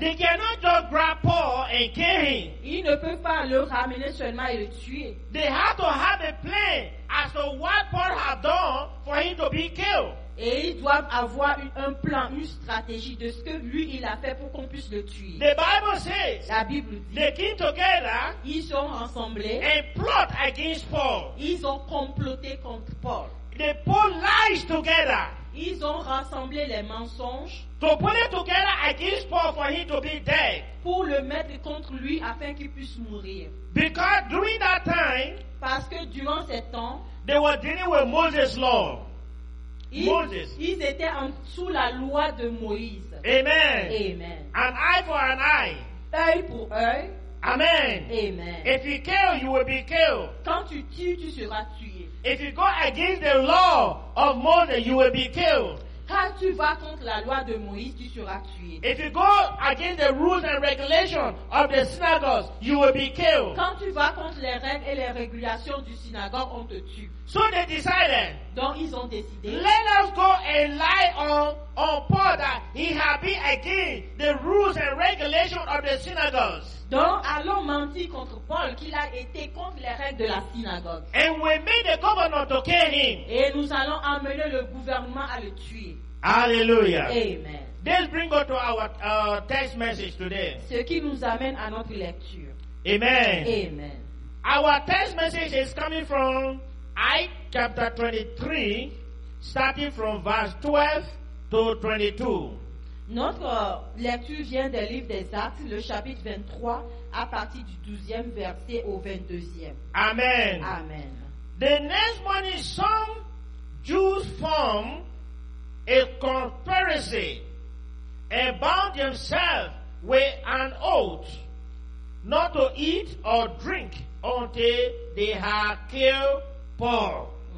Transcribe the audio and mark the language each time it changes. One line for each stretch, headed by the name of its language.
English: They cannot just grab Paul and kill him.
French: Ils ne peuvent pas le ramener seulement et le tuer.
English: They have to have a plan as to what Paul had done for him to be killed.
French: Et ils doivent avoir un plan, une stratégie de ce que lui il a fait pour qu'on puisse le tuer.
English: The Bible says,
French: la Bible dit,
English: they came together,
French: ils sont ensemblés,
English: and plot against Paul.
French: Ils ont comploté contre Paul.
English: They put lies together.
French: Ils ont rassemblé les mensonges
English: to put it together against Paul for him to be dead.
French: Pour le mettre contre lui afin qu'il puisse mourir.
English: Because during that time,
French: parce que durant ce temps,
English: they were dealing with Moses' law.
French: Ils étaient en sous la loi de Moïse. Amen. Amen.
English: An eye for an eye.
French: Œil pour œil. Amen. Amen.
English: If you kill, you will be killed.
French: Quand tu tues, tu seras tué.
English: If you go against the law of Moses, you will be killed.
French: Quand tu vas contre la loi de Moïse, tu seras tué.
English: If you go against the rules and regulations of the synagogues, you will be killed.
French: Quand tu vas contre les règles et les régulations du synagogue, on te tue.
English: So they decided.
French: Donc ils ont décidé.
English: Let us go and lie on Paul that he had been against the rules and regulations of the synagogues.
French: Donc allons mentir contre Paul qu'il a été contre les règles de la synagogue.
English: And we made the governor to kill him.
French: Et nous allons amener le gouvernement à le tuer. Alléluia. Amen.
English: This brings us to our text message today.
French: Ce qui nous amène à notre lecture. Amen. Amen.
English: Our text message is coming from Acts chapter 23, starting from verse 12 to 22.
French: Notre lecture vient du livre des Actes, le chapitre 23, à partir du 12e verset au 22e. Amen. Amen.
English: The next morning, some Jews form a conspiracy and bound themselves with an oath not to eat or drink until they had killed Paul.